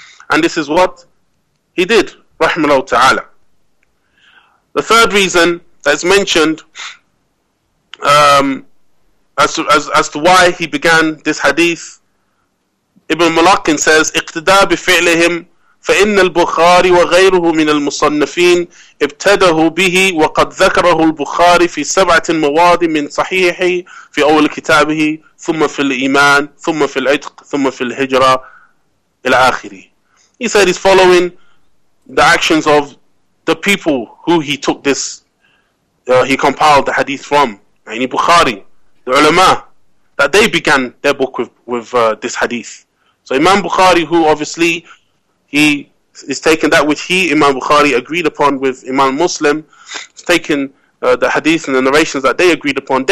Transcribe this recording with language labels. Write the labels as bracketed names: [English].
[English] And this is what he did, rahimahullah ta'ala. The third reason that is mentioned as to why he began this hadith, Ibn Mulaqin says, [Arabic] اقتداء بفعلهم فإن البخاري وغيره من المصنفين ابتدأوا به وقد ذكره البخاري في 7 مواضع من صحيحه في أول كتابه ثم في الإيمان ثم في العتق ثم في الهجرة إلى آخره. [English] He said he's following the actions of the people who he took this, he compiled the hadith from, يعني بخاري, the ulama, that they began their book with this hadith. So Imam Bukhari, who obviously he is taking that which he, Imam Bukhari, agreed upon with Imam Muslim, is taking the hadith and the narrations that they agreed upon.